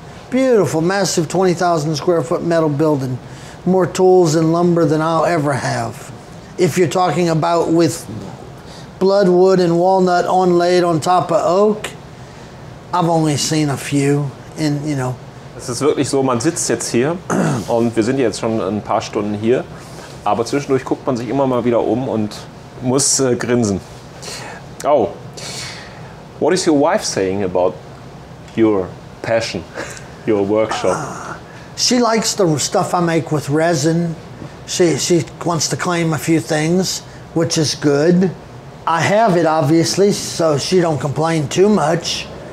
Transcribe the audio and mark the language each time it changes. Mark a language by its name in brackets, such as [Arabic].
[English] Beautiful, massive 20,000 square foot metal building. More tools and lumber than I'll ever have. If you're talking about with blood wood and walnut onlaid on top of oak, I've only seen a few in, you know, [German] es ist wirklich so, man sitzt jetzt hier und wir sind jetzt schon ein paar Stunden hier, aber zwischendurch guckt man sich immer mal wieder um und muss grinsen. [English] Oh, what is your wife saying about your passion, your workshop? She likes the stuff I make with resin. She wants to claim a few things, which is good. I have it, obviously, so she don't complain too much.